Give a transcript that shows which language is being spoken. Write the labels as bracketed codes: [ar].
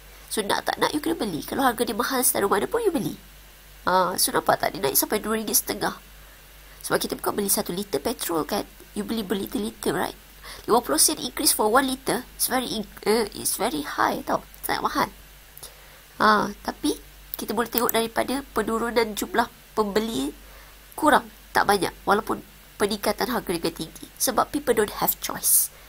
[ms] So nak tak nak, you kena beli. Kalau harga dia mahal setara mana pun, you beli. So nampak tak, dia naik sampai RM2.50. Sebab kita bukan beli 1 liter petrol kan. You beli berliter-liter, right? [en] 50 sen increase for 1 liter, it's very high tau. [ms] Sangat mahal. Tapi kita boleh tengok daripada penurunan jumlah pembeli kurang, tak banyak. Walaupun peningkatan harga dia tinggi, sebab [en] people don't have choice.